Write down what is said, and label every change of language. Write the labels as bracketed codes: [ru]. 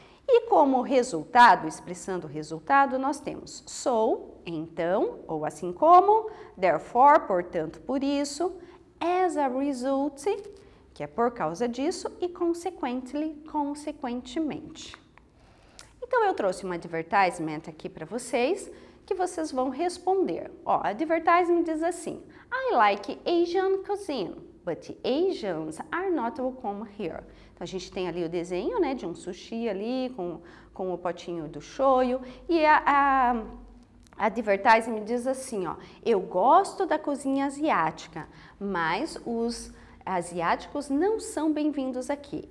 [pt] E como resultado, expressando o resultado, nós temos so, então, ou assim como, therefore, portanto, por isso, [en] as a result, [pt] que é por causa disso, e consequently, consequentemente. Então, eu trouxe um advertisement aqui para vocês, que vocês vão responder. [en] Ó, advertisement [pt] diz assim, [en] I like Asian cuisine, but Asians are not welcome here. [pt] Então, a gente tem ali o desenho, né, de um sushi ali com o potinho do shoyu, e a advertisement diz assim, ó, eu gosto da cozinha asiática, mas os asiáticos não são bem-vindos aqui.